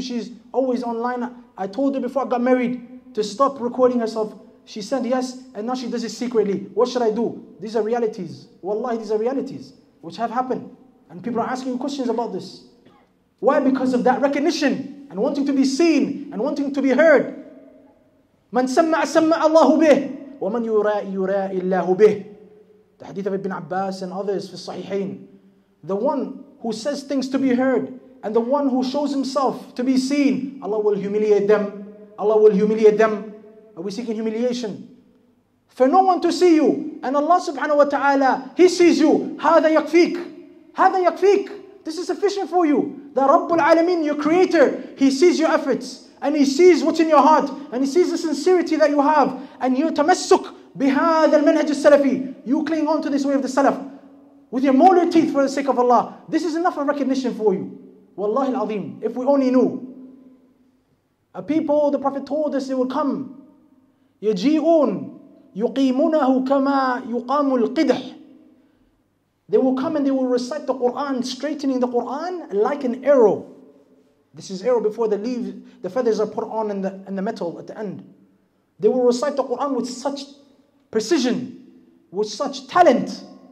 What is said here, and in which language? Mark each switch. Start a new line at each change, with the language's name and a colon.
English: She's always online. I told her before I got married to stop recording herself. She said yes, and now she does it secretly. What should I do? These are realities. Wallahi, these are realities which have happened. And people are asking questions about this. Why? Because of that recognition and wanting to be seen and wanting to be heard.
Arabic: مَنْ سَمَّعَ سَمَّعَ اللَّهُ بِهِ وَمَنْ يُرَاءِ يُرَاءِ اللَّهُ بِهِ.
English: The hadith of Ibn Abbas and others for Sahihain. The one who says things to be heard and the one who shows himself to be seen, Allah will humiliate them. Allah will humiliate them. Are we seeking humiliation? For no one to see you, and Allah subhanahu wa ta'ala, He sees you.
Arabic: هذا يكفيك. هذا يكفيك.
English: This is sufficient for you. The Rabbul Alameen, your creator, He sees your efforts, and He sees what's in your heart, and He sees the sincerity that you have, and your tamassuk
Arabic: بهذا المنهج السلفي.
English: You cling on to this way of the Salaf, with your molar teeth for the sake of Allah. This is enough of recognition for you. Wallahi al-azim, if we only knew. A people, the Prophet told us, they will come.
Arabic: يجيئون يقيمونه كما يقام القدح.
English: They will come and they will recite the Quran, straightening the Quran like an arrow. This is arrow before the leaves, the feathers are put on in the metal at the end. They will recite the Quran with such precision, with such talent.